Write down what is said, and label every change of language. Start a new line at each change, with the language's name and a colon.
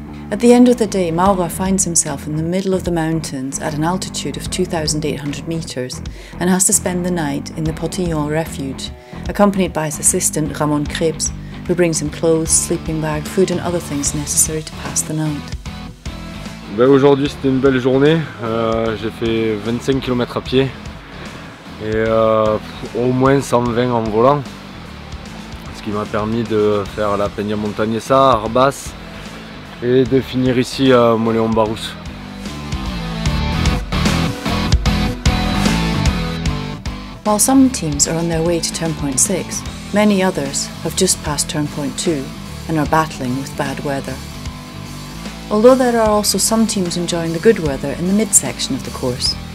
English: At the end of the day, Maurer finds himself in the middle of the mountains at an altitude of 2,800 meters and has to spend the night in the Potillon refuge, accompanied by his assistant, Ramon Krebs, who brings him clothes, sleeping bag, food and other things necessary to pass the night.
French: Ben aujourd'hui c'était une belle journée, j'ai fait 25 km à pied et au moins 120 en volant, ce qui m'a permis de faire la Peña Montañesa, Arbas et de finir ici à Moléon Barús.
English: While some teams are on their way to turn point 6, many others have just passed turn point 2 and are battling with bad weather. Although there are also some teams enjoying the good weather in the midsection of the course.